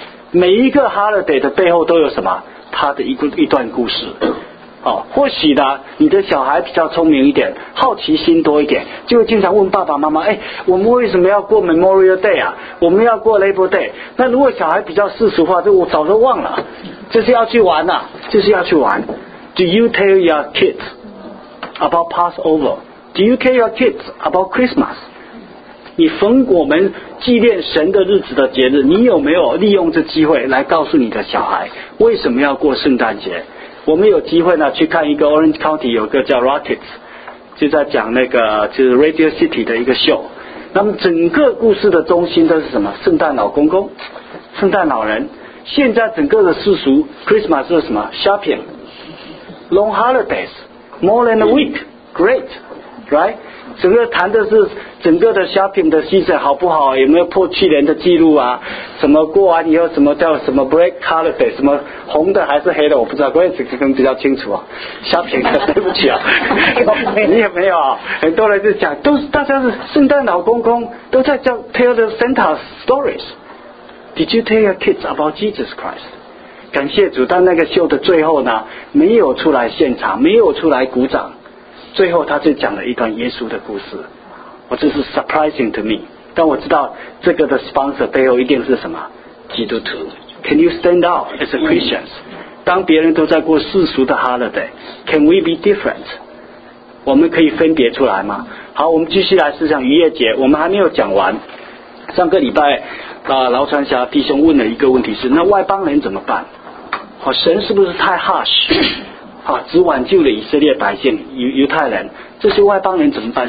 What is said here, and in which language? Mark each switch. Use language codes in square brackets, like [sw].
[zh] 每一个 holiday 的背后都有什么他的一段故事、哦、或许呢你的小孩比较聪明一点，好奇心多一点，就经常问爸爸妈妈，哎，我们为什么要过 Memorial Day 啊，我们要过 Labor Day。那如果小孩比较世俗化，就我早就忘了，就是要去玩啊，就是要去玩。 [en] Do you tell your kids about Passover? Do you tell your kids about Christmas? [zh] 你逢我们纪念神的日子的节日，你有没有利用这机会来告诉你的小孩为什么要过圣诞节？我们有机会呢去看一个 Orange County 有个叫 Rockets， 就在讲那个就是 Radio City 的一个秀。那么整个故事的中心都是什么？圣诞老公公、圣诞老人。现在整个的世俗 Christmas 是什么 [en] ？Shopping, long holidays, more than a week, great, right? [zh] 整个谈的是整个的 shopping 的 season 好不好，有没有破去年的记录啊，什么过完以后什么叫什么 black holiday， 什么红的还是黑的我不知道，关键可能比较清楚啊， shopping 的对不起啊你也没有啊，很多人就讲都是大家是圣诞老公公，都在叫 [en] tell the Santa stories。 Did you tell your kids about Jesus Christ？ [zh] 感谢主，但那个秀的最后呢没有出来现场，没有出来鼓掌，最后他就讲了一段耶稣的故事。我这是 [en] surprising to me， [zh] 但我知道这个的 sponsor 背后一定是什么基督徒。 [en] Can you stand out as a Christians？ [zh] 当别人都在过世俗的 holiday， [en] Can we be different？ [zh] 我们可以分别出来吗？好，我们继续来思想逾越节。我们还没有讲完，上个礼拜劳传霞弟兄问了一个问题，是那外邦人怎么办、哦、神是不是太 harsh？啊、只挽救了以色列百姓犹太人，这些外邦人怎么办？